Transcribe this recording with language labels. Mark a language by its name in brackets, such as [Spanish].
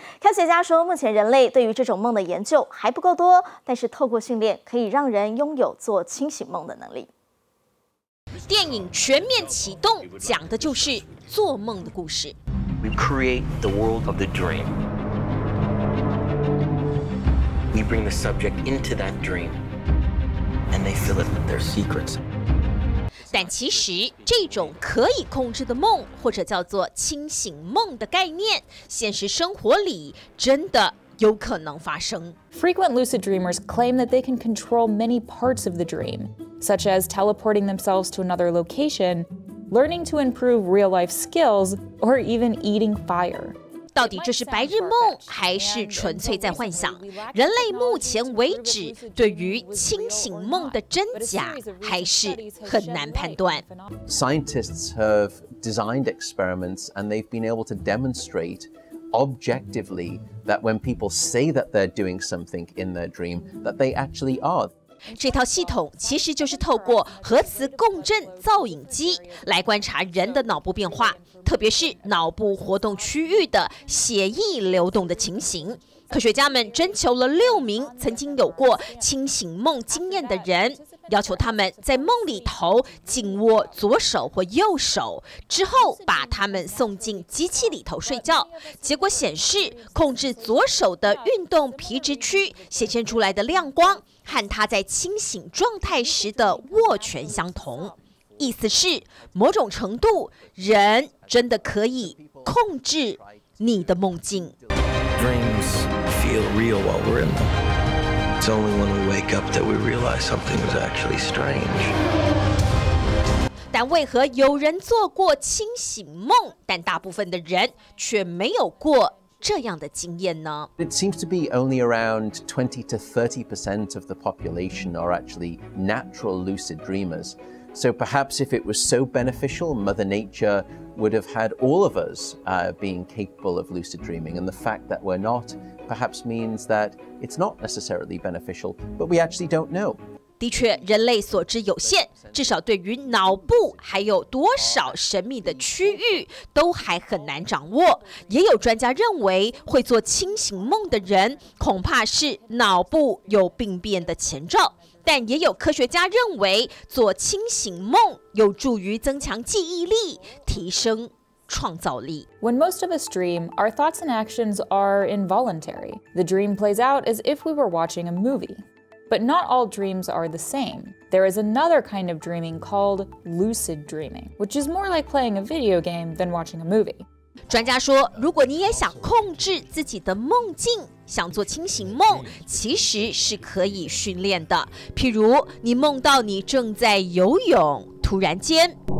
[Chinese] 科学家说，目前人类对于这种梦的研究还不够多，但是透过训练，可以让人拥有做清醒梦的能力。电影《全面启动》讲的就是做梦的故事。 [English] We create the world of the dream. We bring the subject into that dream, and they fill it with their secrets. [Chinese] 但其实，这种可以控制的梦，或者叫做清醒梦的概念，现实生活里真的有可能发生。 [English] Frequent lucid dreamers claim that they can control many parts of the dream. Such as teleporting themselves to another location, learning to improve real-life skills, or even eating fire. [Chinese] 到底这是白日梦还是纯粹在幻想？人类目前为止对于清醒梦的真假还是很难判断。 [English] Scientists have designed experiments, and they've been able to demonstrate objectively that when people say that they're doing something in their dream, that they actually are. [Chinese] 这套系统其实就是透过核磁共振造影机来观察人的脑部变化，特别是脑部活动区域的血液流动的情形。科学家们征求了6名曾经有过清醒梦经验的人，要求他们在梦里头紧握左手或右手，之后把他们送进机器里头睡觉。结果显示，控制左手的运动皮质区显现出来的亮光和他在清醒状态时的握拳相同，意思是某种程度，人真的可以控制你的梦境。 [English] Dreams feel real while we're in them. It's only when we wake up that we realize something is actually strange. [Chinese] 但为何有人做过清醒梦，但大部分的人却没有过？这样的经验呢 [English] ？It seems to be only around 20% to 30% of the population are actually natural lucid dreamers. So perhaps if it was so beneficial, Mother Nature would have had all of us being capable of lucid dreaming. And the fact that we're not, perhaps means that it's not necessarily beneficial. But we actually don't know. [Chinese] 的确，人类所知有限，至少对于脑部还有多少神秘的区域都还很难掌握。也有专家认为，会做清醒梦的人恐怕是脑部有病变的前兆。但也有科学家认为，做清醒梦有助于增强记忆力，提升创造力。 [English] When most of us dream, our thoughts and actions are involuntary. The dream plays out as if we were watching a movie. But not all dreams are the same. There is another kind of dreaming called lucid dreaming, which is more like playing a video game than watching a movie. [Chinese] 专家说，如果你也想控制自己的梦境，想做清醒梦，其实是可以训练的。譬如，你梦到你正在游泳，突然间，